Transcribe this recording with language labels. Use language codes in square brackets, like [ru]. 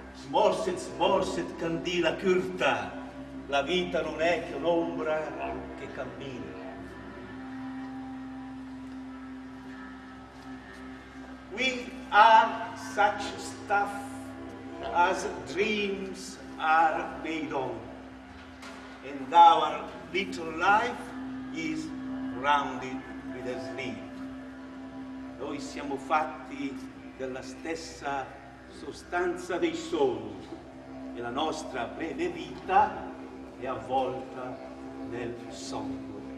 [it] Smorset, candela curta, la vita non è che un'ombra che cammina. [en] We are such stuff as dreams are made on, and our little life is rounded with a sleep. [it] Noi siamo fatti della stessa sostanza dei sogni, e la nostra breve vita è avvolta nel sonno.